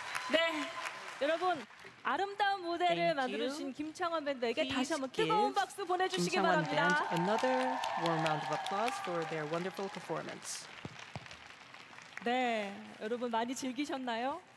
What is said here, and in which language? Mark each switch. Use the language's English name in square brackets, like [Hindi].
[Korean] 네, 여러분 아름다운 무대를 만들어주신 김창원 밴드에게 다시 한번 뜨거운 박수 보내주시기 바랍니다. [English] Another warm round of applause for their wonderful performance. [Korean] 네, 여러분 많이 즐기셨나요?